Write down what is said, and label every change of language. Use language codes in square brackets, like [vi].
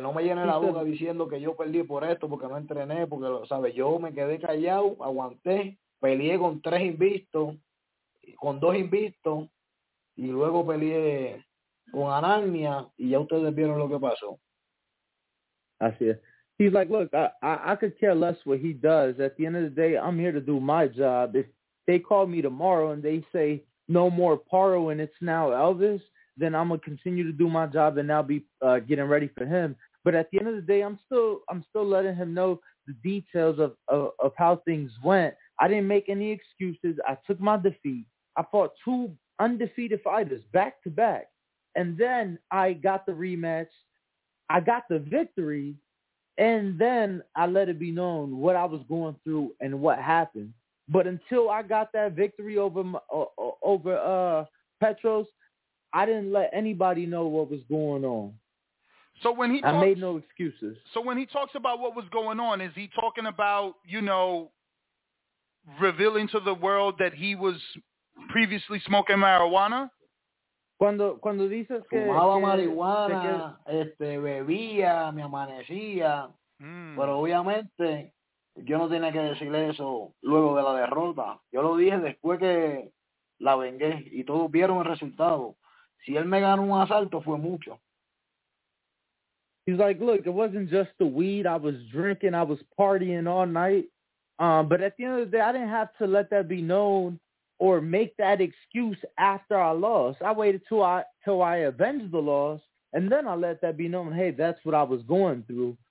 [es] No me llené la boca diciendo que yo perdí por esto, porque no entrené, porque, ¿sabes? Yo me quedé callado, aguanté, peleé con 3 invictos, con 2 invictos, y luego peleé con Anania, y ya ustedes vieron lo que pasó. Así es. [en] He's like, look, I could care less what he does. At the end of the day, I'm here to do my job. If they call me tomorrow and they say no more Paro and it's now Elvis, then I'm going to continue to do my job and now be getting ready for him. But at the end of the day, I'm still letting him know the details of how things went. I didn't make any excuses. I took my defeat. I fought 2 undefeated fighters back to back. And then I got the rematch. I got the victory. And then I let it be known what I was going through and what happened. But until I got that victory over Petros, I didn't let anybody know what was going on. So when he I talks, made no excuses. So when he talks about what was going on, is he talking about, you know, revealing to the world that he was previously smoking marijuana? [es] Cuando dices que fumaba marihuana, bebía, me amanecía, pero obviamente yo no tenía que decirle eso luego de la derrota. Yo lo dije después que la vengué y todos vieron el resultado. Si él me ganó un asalto, fue mucho. [en] He's like, look, it wasn't just the weed. I was drinking. I was partying all night. But at the end of the day, I didn't have to let that be known or make that excuse after I lost. I waited till I avenged the loss, and then I let that be known, hey, that's what I was going through.